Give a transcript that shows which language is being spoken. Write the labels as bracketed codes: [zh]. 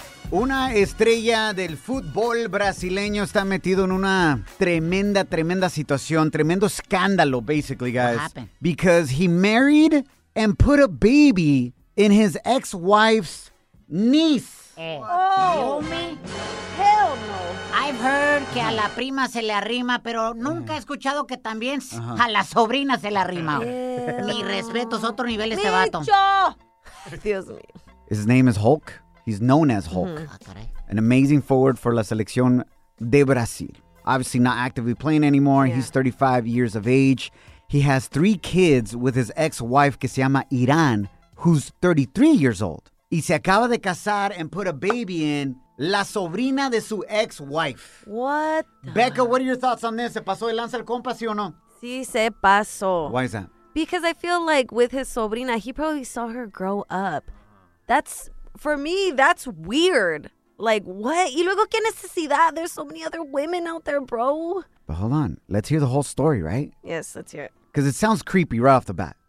[es] Una estrella del fútbol brasileño está metido en una tremenda, tremenda situación. Tremendo escándalo, [en] basically, guys. What happened? Because he married and put a baby in his ex-wife's niece. I've heard [es] que a la prima se le arrima, pero nunca he escuchado que también a la sobrina se le arrima. Mi respeto, es otro nivel este vato. Dios mío. [en] His name is Hulk. He's known as Hulk. An amazing forward for [es] la selección de Brasil. [en] Obviously not actively playing anymore. Yeah. He's 35 years of age. He has three kids with his ex-wife [es] que se llama [en] Irán, who's 33 years old. [es] Y se acaba de casar [en] and put a baby in [es] la sobrina de su [en] ex-wife. What? Becca, what are your thoughts on this? [es] ¿Se pasó el lanza el compa, sí o no? Sí, se pasó. [en] Why is that? Because I feel like with his sobrina, he probably saw her grow up. That's, for me, that's weird. Like, what? [es] ¿Y luego qué necesidad? [en] There's so many other women out there, bro. But hold on. Let's hear the whole story, right? Yes, let's hear it. Because it sounds creepy right off the bat.